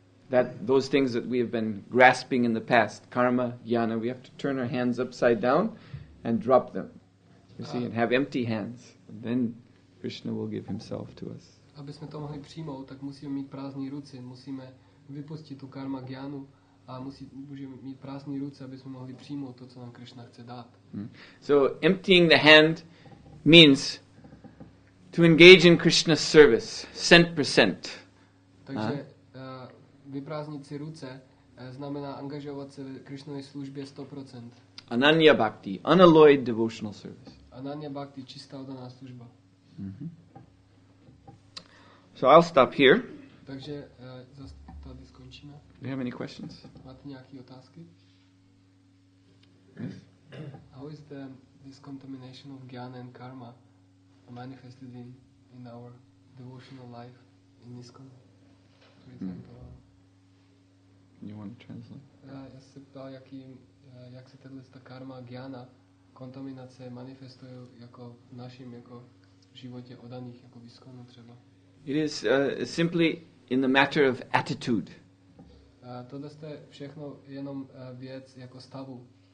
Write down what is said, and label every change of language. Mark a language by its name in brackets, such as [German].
[English] That those things that we have been grasping in the past, karma, jnana, we have to turn our hands upside down and drop them. You see, and have empty hands. And then Krishna will give himself to us. [Czech] Aby jsme to mohli přijmout, tak musíme mít prázdné ruce, musíme vypustit tu karma jnanu a můžeme mít prázdné ruce, aby jsme mohli přijmout to, co nám Krishna chce dát. [English] So emptying the hand means to engage in Krishna's service, 100%. [Czech] Takže vyprázdnit si ruce znamená angažovat se v Krishnově službě 100%. [English] Ananya bhakti, unalloyed devotional service. [Czech] Ananya bhakti, čistá oddaná služba. [English] Mm-hmm. So I'll stop here. [Czech] Takže tady skončíme. [English] Do you have any questions? [Czech] Máte nějaké otázky? [English] How is the discontamination of jnana and karma manifested in our devotional life in ISKCON? For example. You want to translate? [Czech] Já se ptal, jak se tady ta karma jnana kontaminace manifestuje jako naším jako v životě oddaných, jako v ISKCONu třeba. It is simply in the matter of attitude. tohle je všechno jenom věc jako stavu.